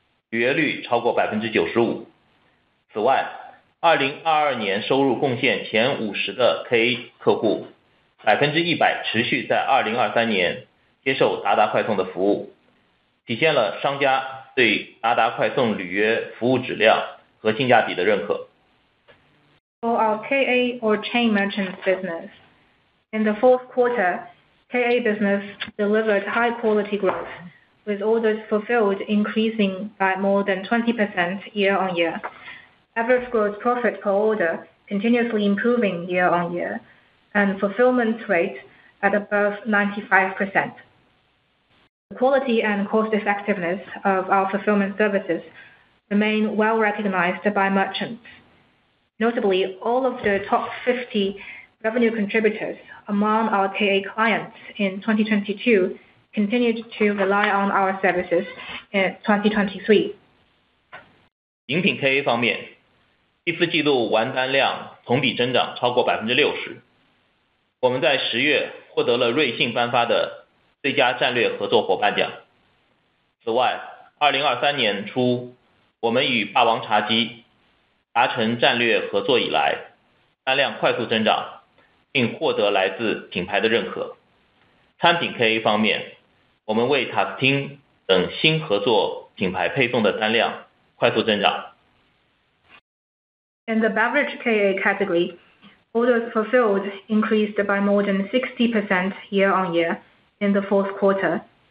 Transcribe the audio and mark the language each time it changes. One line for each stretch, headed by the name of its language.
Chinese: 履约率超过95%。此外，2022年收入贡献前50的 KA 客户，100%持续在2023年接受达达快送的服务，体现了商家对达达快送履约服务质量和性价比的认可。
English: For our KA or chain merchants business, in the fourth quarter, KA business delivered high quality growth. With orders fulfilled increasing by more than 20% year on year, average gross profit per order continuously improving year on year, and fulfillment rate at above 95%. The quality and cost effectiveness of our fulfillment services remain well recognized by merchants. Notably, all of the top 50 revenue contributors among our KA clients in 2022 continued to rely on our services in 2023.
Chinese: 饮品 KA 方面，第四季度完单量同比增长超过 60%。我们在10月获得了瑞幸颁发的最佳战略合作伙伴奖。此外，2023年初，我们与霸王茶姬达成战略合作以来，单量快速增长，并获得来自品牌的认可。餐品 KA 方面，我们为塔斯汀等新合作品牌配送的单量快速增长。
English: In the beverage KA category, orders fulfilled increased by more than 60% year-on-year in the fourth quarter.